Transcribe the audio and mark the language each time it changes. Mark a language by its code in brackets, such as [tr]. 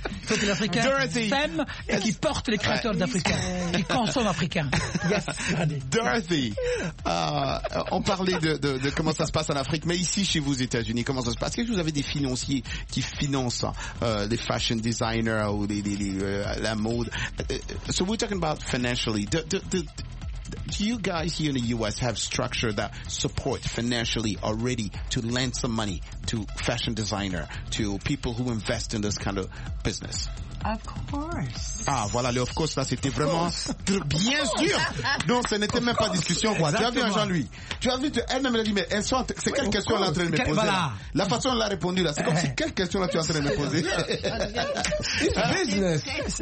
[fr] Il faut que les Africains s'aiment et qu'ils portent les créateurs d'Africains, qu'ils consomment Africains. [en] Yes. [fr] Dorothy, on parlait de comment ça se passe en Afrique, mais ici chez vous aux États-Unis, comment ça se passe? Est-ce que vous avez des financiers qui financent les fashion designers ou la mode? [en] So we're talking about financially. Do you guys here in the U.S. have structure that support financially already to lend some money to fashion designer, to people who invest in this kind of business? Of course. [fr] Ah, voilà, le of course, là, c'était vraiment très bien sûr. Non, ce n'était même pas discussion, quoi. Exactement. Tu as vu un Jean-Louis. Tu as vu, elle-même, elle dit, mais elle sent, c'est quelle question elle est en train de me poser? Voilà. La façon dont elle a répondu, là, c'est comme si quelle question là tu es en train de me poser. [en] Business.